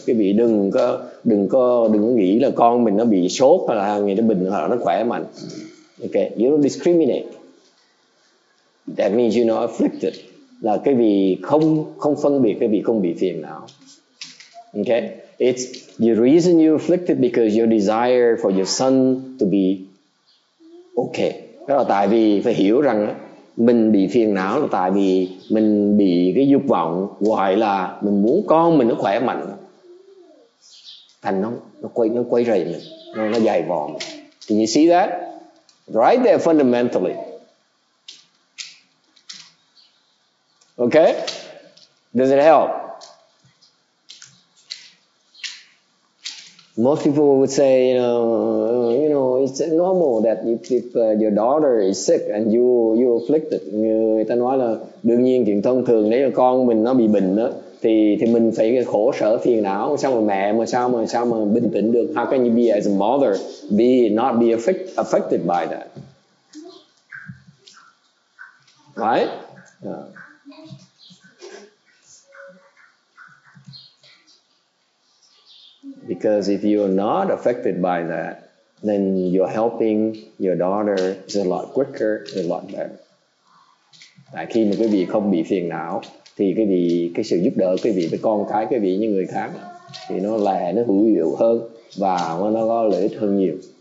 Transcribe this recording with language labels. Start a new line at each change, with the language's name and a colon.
Vietnamese: Quý vị đừng có nghĩ là con mình nó bị sốt hay là người nó bệnh hoặc là nó khỏe mạnh.
English: Okay, you don't discriminate. That means you're not afflicted.
Vietnamese: Là quý vị không phân biệt, quý vị không bị phiền não.
English: Okay, it's the reason you're afflicted because your desire for your son to be okay.
Vietnamese: Đó là tại vì phải hiểu rằng mình bị phiền não là tại vì mình bị cái dục vọng gọi là mình muốn con mình nó khỏe mạnh. Thành nó quay rầy mình, nó dày vò mình.
English: Can you see that? Right there fundamentally. Okay? Does it help? Most people would say, you know, it's normal that if your daughter is sick and you afflicted.
Vietnamese: Người ta nói là đương nhiên chuyện thông thường nếu con mình nó bị bệnh đó, thì mình phải khổ sở phiền não. Sao mà bình tĩnh được?
English: How can you be as a mother be not be affected by that? Right? Yeah. Because if you're not affected by that, then you're helping your daughter is a lot quicker, a lot better.
Vietnamese: Tại khi mà quý vị không bị phiền não thì quý vị cái sự giúp đỡ quý vị với con cái quý vị như người khác thì nó là nó hữu hiệu hơn và nó có lợi ích hơn nhiều.